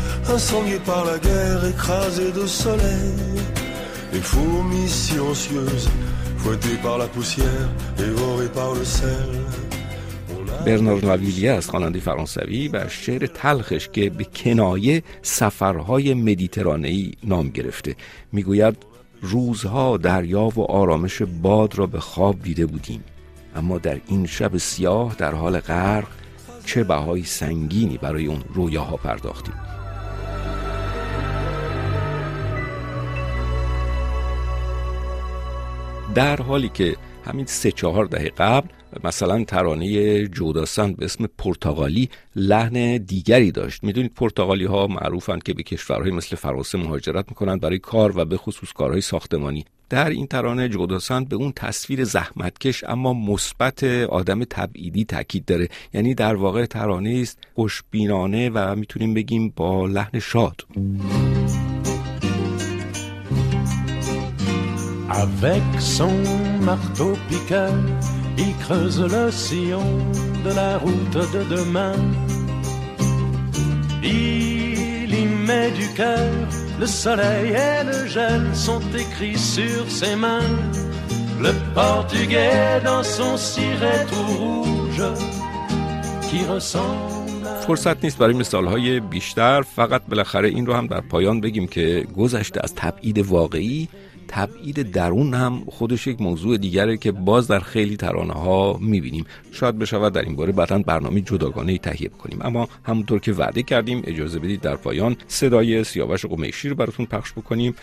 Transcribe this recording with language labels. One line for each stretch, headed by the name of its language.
French: Un sanglier par la guerre écrasé de soleil, les fourmis silencieuses fouettées par la poussière, dévorées par le sel.
Persian: برنارد نوویلی است، خواننده فرانسوی، و شعر تلخش که به کنایه سفرهای مدیترانه‌ای نام گرفته. میگوید روزها دریا و آرامش باد را به خواب دیده بودیم، اما در این شب سیاه در حال غرق چه بهای سنگینی برای اون رویاها پرداختیم. در حالی که همین 3-4 دهه قبل مثلا ترانه جوداسن به اسم پرتغالی لحن دیگری داشت. میدونید پرتغالی ها معروفند که به کشورهای مثل فرانسه مهاجرت میکنند برای کار و به خصوص کارهای ساختمانی. در این ترانه جوداسن به اون تصویر زحمتکش اما مثبت آدم تبعیدی تاکید داره، یعنی در واقع ترانه است خوشبینانه و میتونیم بگیم با لحن شاد.
French: Avec son marteau piqueur, il creuse le sillon de la route de demain. Il y met du cœur, le soleil et le gel sont écrits sur ses mains. Le portugais dans son ciré tout rouge qui ressemble.
Persian: فرصت نیست برای مثال‌های بیشتر، فقط بالاخره این رو هم در پایان بگیم که گذشته از تبعید واقعی، تبعید درون هم خودش یک موضوع دیگره که باز در خیلی ترانه ها میبینیم. شاید بشود در این باره بعداً برنامه جداگانه تهیه کنیم، اما همونطور که وعده کردیم اجازه بدید در پایان صدای سیاوش قمیشی رو براتون پخش بکنیم.